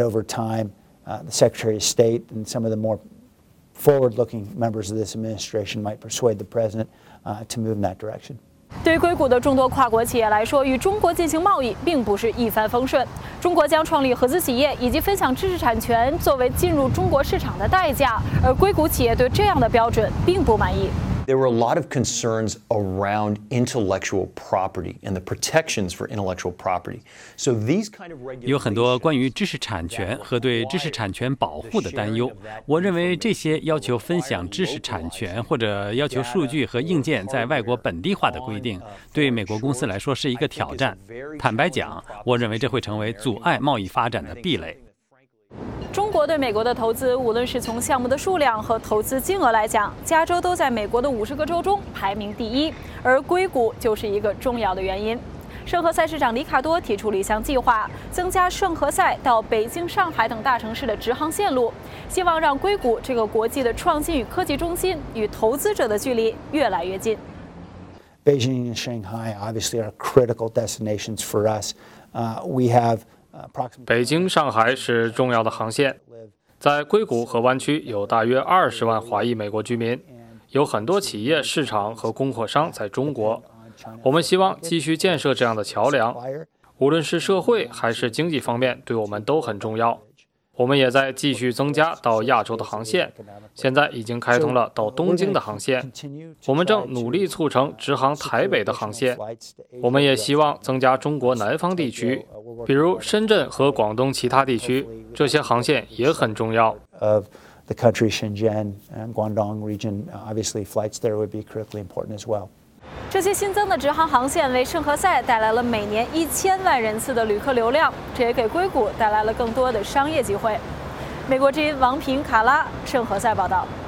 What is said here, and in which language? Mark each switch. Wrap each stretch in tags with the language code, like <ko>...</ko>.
<en>The Secretary of State and some of the more forward-looking members of this administration might persuade the President to move in that direction.</en> <zh>对硅谷的众多跨国企业来说，与中国进行贸易并不是一帆风顺。中国将创立合资企业以及分享知识产权作为进入中国市场的代价，而硅谷企业对这样的标准并不满意。</zh> <en>There were a lot of concerns around intellectual property and the protections for intellectual property. So these kind of regulations</en> <zh>有很多关于知识产权和对知识产权保护的担忧。我认为这些要求分享知识产权或者要求数据和硬件在外国本地化的规定，对美国公司来说是一个挑战。坦白讲，我认为这会成为阻碍贸易发展的壁垒。中国对美国的投资，无论是从项目的数量和投资金额来讲，加州都在美国的50个州中排名第一，而硅谷就是一个重要的原因。圣何塞市长里卡多提出了一项计划，增加圣何塞到北京、上海等大城市的直航线路，希望让硅谷这个国际的创新与科技中心与投资者的距离越来越近。</zh> <en>Beijing and Shanghai obviously are critical destinations for us. We have.</en> <zh>北京、上海是重要的航线，在硅谷和湾区有大约20万华裔美国居民，有很多企业、市场和供货商在中国。我们希望继续建设这样的桥梁，无论是社会还是经济方面，对我们都很重要。我们也在继续增加到亚洲的航线，现在已经开通了到东京的航线，我们正努力促成直航台北的航线，我们也希望增加中国南方地区，比如深圳和广东其他地区，这些航线也很重要。</zh> <en>Of the country Shenzhen and Guangdong region, obviously flights there would be critically important as well.</en> <zh>这些新增的直航航线为圣何塞带来了每年1000万人次的旅客流量，这也给硅谷带来了更多的商业机会。美国之音王平卡拉圣何塞报道。</zh>